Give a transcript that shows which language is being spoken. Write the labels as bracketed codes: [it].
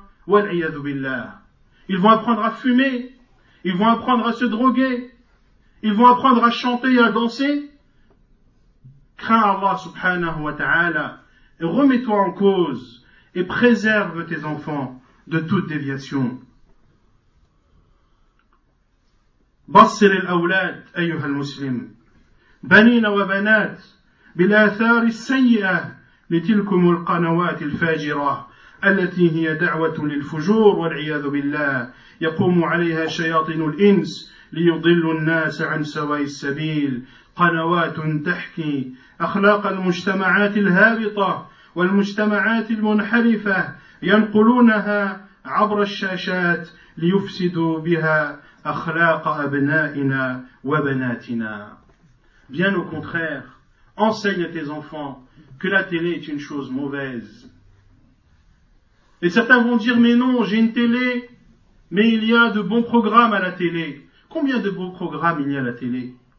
[fr] Wal'iyadu billah. Ils vont apprendre à fumer, ils vont apprendre à se droguer, ils vont apprendre à chanter et à danser. Crains Allah subhanahu wa ta'ala et remets-toi en cause et préserve tes enfants de toute déviation. [ar] بصر الأولاد أيها المسلم بنين وبنات بالآثار السيئة لتلكم القنوات الفاجرة التي هي دعوة للفجور والعياذ بالله يقوم عليها شياطين الإنس ليضل الناس عن سواء السبيل قنوات تحكي أخلاق المجتمعات الهابطة والمجتمعات المنحرفة ينقلونها عبر الشاشات ليفسدوا بها أخلاق أبنائنا وبناتنا. [fr] Bien au contraire, enseigne à tes enfants que la télé est une chose mauvaise. Et certains vont dire, mais non, j'ai une télé, mais il y a de bons programmes à la télé. Combien de bons programmes il y a à la télé?